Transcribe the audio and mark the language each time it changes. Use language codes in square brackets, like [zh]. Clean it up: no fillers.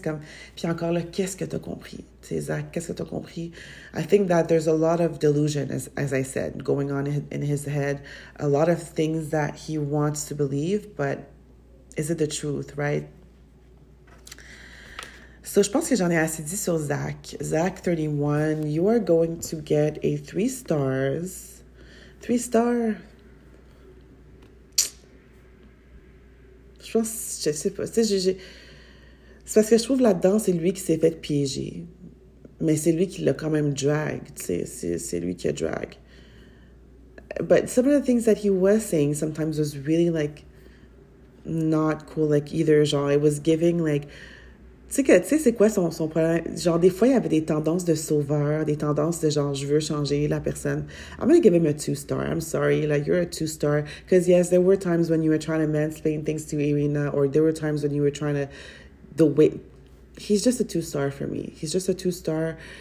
[fr] Comme, puis encore là, qu'est-ce que t'as compris? Tu sais, Zach, qu'est-ce que t'as compris? [en] I think that there's a lot of delusion, as I said, going on in his head. A lot of things that he wants to believe, but is it the truth, right? [fr] So, je pense que j'en ai assez dit sur Zach. [en] Zach 31, you are going to get a 3 stars. 3 star. [fr] Je pense, je sais pas. Tu sais, c'est parce que je trouve là-dedans, c'est lui qui s'est fait piéger. Mais c'est lui qui l'a quand même drag, tu sais. C'est lui qui a drag. [en] But some of the things that he was saying sometimes was really, like, not cool, like, either. [fr] Genre, [en] it was giving, like... [fr] Tu sais, c'est quoi son problème? Genre, des fois, il y avait des tendances de sauveur, des tendances de, genre, je veux changer la personne. [en] I'm gonna give him a 2-star. I'm sorry. Like, you're a 2-star. Because, yes, there were times when you were trying to mansplain things to Irina, or there were times when you were trying to... The way, he's just a 2-star for me. He's just a 2-star.